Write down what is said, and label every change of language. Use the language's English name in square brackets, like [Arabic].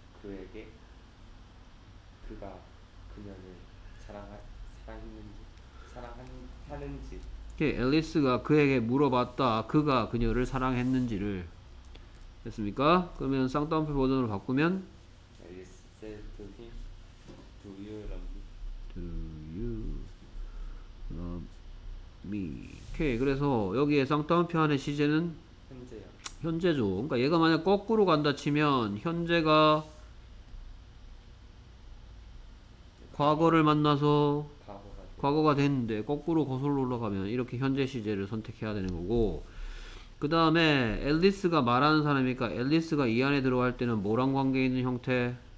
[Korean] 그에게 그가 그녀를 사랑하는지. Okay, Alice가 그에게 물어봤다. 그가 그녀를 사랑했는지를. 됐습니까? 그러면 쌍따옴표 버전으로 바꾸면 [English] Alice said to him, Do you love me? Do you love me? 오케이. [Korean] 그래서 여기에 쌍따옴표 안에 시제는 현재요. 현재죠. 그러니까 얘가 만약 거꾸로 간다 치면 현재가 과거를 만나서 과거가 됐는데 거꾸로 거슬러 올라가면 이렇게 현재 시제를 선택해야 되는 거고 그 다음에 앨리스가 말하는 사람이니까 앨리스가 이 안에 들어갈 때는 뭐랑 관계 있는 형태?